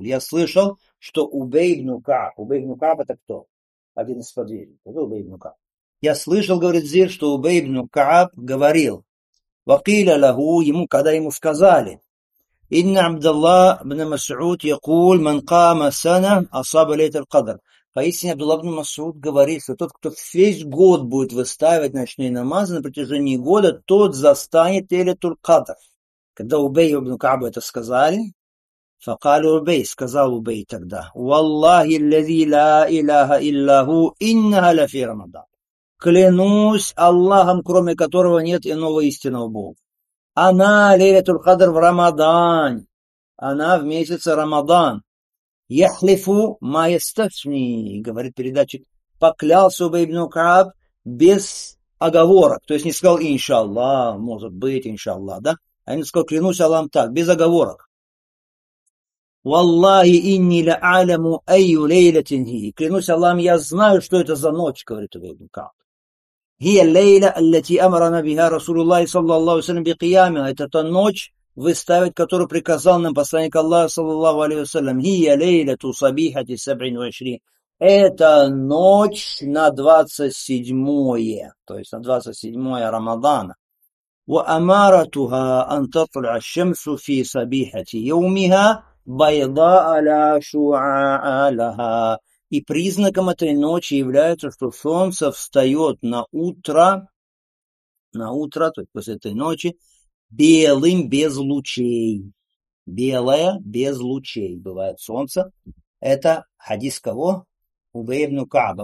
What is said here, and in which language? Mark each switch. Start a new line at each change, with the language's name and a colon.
Russian: Я слышал, что Убей бн Кааб. Убей бн Кааб это кто? Один из подвижников. Это Убей бн Кааб. Я слышал, говорит Зир, что Убей бн Кааб говорил.
Arabic: Вакиля лаху,
Russian: ему, когда ему сказали.
Arabic: إن عبد الله بن مسعود يقول من قام سنة أصاب ليلة القدر.
Russian: Поистине Абдулла ибн Масуд говорит, что тот, кто весь год будет выстаивать ночные намазы на протяжении года, тот застанет Лейлатул Кадр. Когда Убей ибн Каабу это сказали,
Arabic: فقال
Russian: Убей, сказал Убей тогда,
Arabic: والله الذي لا إله إلا هو إنها لفي رمضان.
Russian: Клянусь Аллахом, кроме которого нет иного истинного Бога. Она, Лейлатул Кадр, в Рамадан. Она в месяце Рамадан.
Arabic: Яхлифу майстафни,
Russian: говорит передатчик, поклялся Убей ибн Кааб без оговорок. То есть не сказал иншаллах, может быть, иншаллах, да? А не сказал, клянусь Аллахом так, без оговорок.
Arabic: Валлахи инни ля аляму айю лейлатин хи.
Russian: Клянусь Аллахом, я знаю, что это за ночь, говорит Убей ибн Кааб.
Arabic: هي الليلة التي أمرنا بها رسول الله صلى الله عليه وسلم بقيامها.
Russian: Это та ночь выставить, которую приказал нам посланник Аллаха
Arabic: صلى الله عليه وسلم. هي ليلة صبيحة 27.
Russian: Это ночь на 27-е, то есть на 27-е Рамадана.
Arabic: وأمارتها أن تطلع الشمس في صبيحة يومها بيضاء لا شعاع لها.
Russian: И признаком этой ночи является, что солнце встает на утро, то есть после этой ночи, белым, без лучей. Белое, без лучей бывает солнце. Это хадис кого? Убей ибн Кааба.